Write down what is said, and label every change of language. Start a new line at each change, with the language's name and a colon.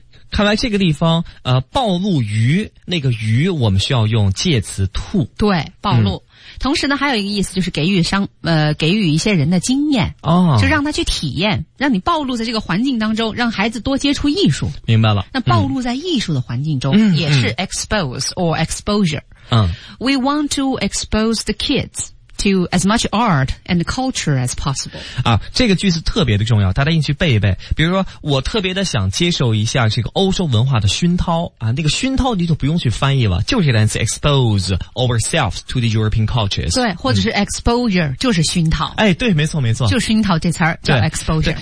Chinese: 看来这个地方暴露鱼那个鱼我们需要用介词 to 对暴露、嗯、同时呢还有一个意思就是给予伤给予一些人的经验、哦、就让他去体验让你暴露在这个环境当中让孩子多接触艺术明白了那暴露在艺术的环境中、嗯、
English: 也是 expose or exposure、嗯、 We want to expose the kids to as much art and culture as possible.
Chinese: 啊，这个句子特别的重要，大家一定去背一背。比如说，我特别的想接受一下这个欧洲文化的熏陶啊，那个熏陶你就不用去翻译了，就是单词
English: expose ourselves to the European cultures。
Chinese: 对，或者是 exposure，、嗯、就是熏陶。哎，对，没错，没错，就熏陶这词儿叫 exposure。